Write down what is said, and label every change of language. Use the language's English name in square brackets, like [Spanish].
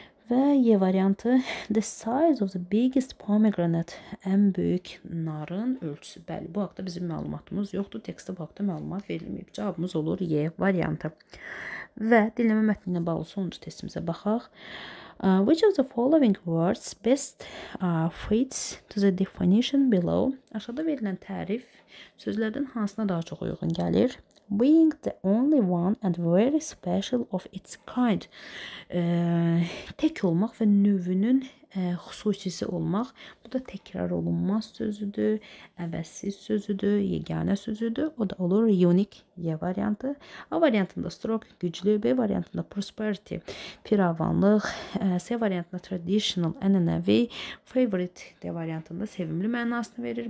[Azerbaijani] Və Y variantı, [English] the size of the biggest pomegranate, [Azerbaijani] ən böyük narın ölçüsü. Bəli, bu haqda bizim məlumatımız yoxdur. Tekstdə bu haqda məlumat verilməyib. Cavabımız olur Y variantı. Və dinləmə mətninə bağlı sonuncu testimizə baxaq. [English] Which of the following words best fits to the definition below? [Azerbaijani] Aşağıda verilən tərif sözlərdən hansına daha çox uyğun gəlir? [English] Being the only one and very special of its kind. [Azerbaijani] Tək olmaq və növünün xüsusisi olmaq. Bu da təkrar olunmaz sözüdür, əvəzsiz sözüdür, yeganə sözüdür. O da olur unique Y variantı. A variantında stroke güclü, B variantında prosperity, firavanlıq, C variantında traditional, ənənəvi, favorite D variantında sevimli mənasını verir.